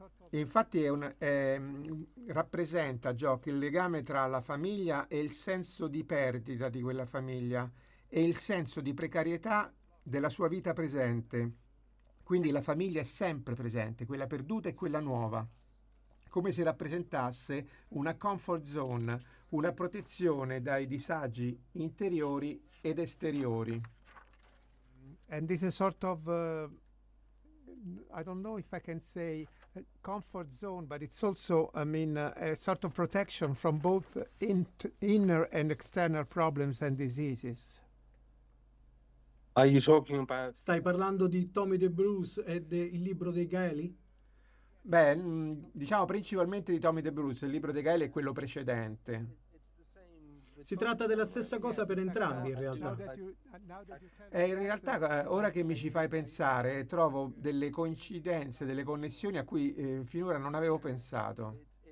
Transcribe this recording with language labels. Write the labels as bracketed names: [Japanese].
[Italian] Infatti rappresenta, Jock, il legame tra la famiglia e il senso di perdita di quella famiglia e il senso di precarietà della sua vita presente. Quindi la famiglia è sempre presente, quella perduta e quella nuova, come se rappresentasse una comfort zone, una protezione dai disagi interiori ed esteriori. [English] And this is a sort of I don't know if I can say comfort zone, but it's also, I mean, a sort of protection from both inner and external problems and diseases. Are you talking about... [Italian] Stai parlando di Tommy DeBruce e il libro dei Gaeli? Beh, diciamo principalmente di Tommy DeBruce, il libro dei Gaeli è quello precedente. Si tratta della stessa cosa per entrambi, in realtà. E in realtà, ora che mi ci fai pensare, trovo delle coincidenze, delle connessioni a cui finora non avevo pensato.